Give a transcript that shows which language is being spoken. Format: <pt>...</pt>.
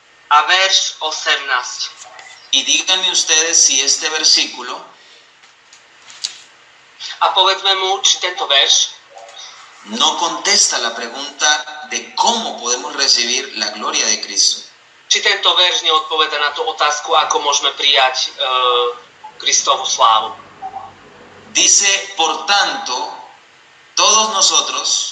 <sk>a verš 18.</sk> <es>Y díganme ustedes si este versículo</es> <sk>a povedme mu, či tento verš</sk> <es>no contesta la pregunta de cómo podemos recibir la gloria de Cristo.</es> <sk>Či tento verš neodpovedá na tú otázku, ako môžeme prijať Kristovu slávu.</sk> <es>Dice, por tanto, todos nosotros</es>